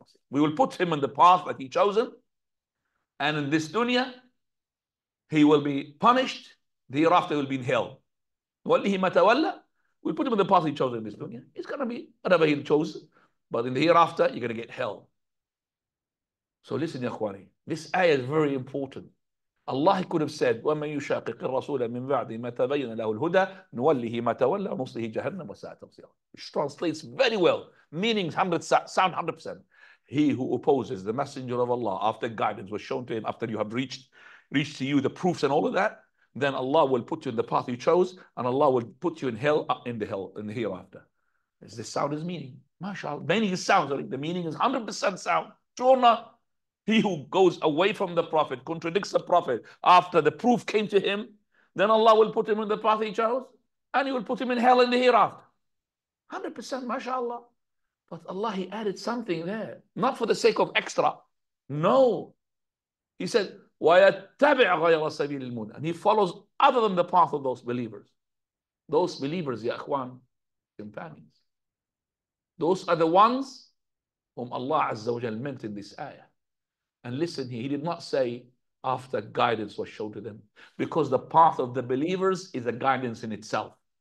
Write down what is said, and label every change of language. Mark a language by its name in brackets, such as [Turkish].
[English] We will put him in the path that he chosen, and in this dunya, he will be punished, the hereafter he will be in hell. We'll put him in the path he chosen in this dunya. It's going to be whatever he chose, but in the hereafter, you're going to get hell. So listen, ya akhwani, this ayah is very important. Allah could have said, [Arabic] وَمَن يُشَاقِقِ الرَّسُولَ مِن بَعْدِ مَا تَبَيَّنَ لَهُ الْهُدَى نُوَلِّهِ مَا تَوَلَّى وَنُصْلِهِ جَهَنَّمَ وَسَاءَتْ مَصِيرًا. [English] Which translates very well, meaning 100%. He who opposes the messenger of Allah after guidance was shown to him, after you have reached to you the proofs and all of that, then Allah will put you in the path you chose, and Allah will put you in hell, in the hereafter. Is this sound his meaning? MashaAllah, meaning is sound. Sorry. The meaning is 100% sound. True or not? He who goes away from the Prophet, contradicts the Prophet, after the proof came to him, then Allah will put him in the path he chose, and he will put him in hell in the hereafter. 100%, mashallah. But Allah, he added something there. Not for the sake of extra. No. He said, [Arabic] وَيَتَّبِعْ غَيْرَ سَبِيلِ الْمُنَى. [English] And he follows other than the path of those believers. Those believers, ya akhwan, companions. Those are the ones whom Allah Azza wa Jal meant in this ayah. And listen here, he did not say after guidance was shown to them, because the path of the believers is a guidance in itself.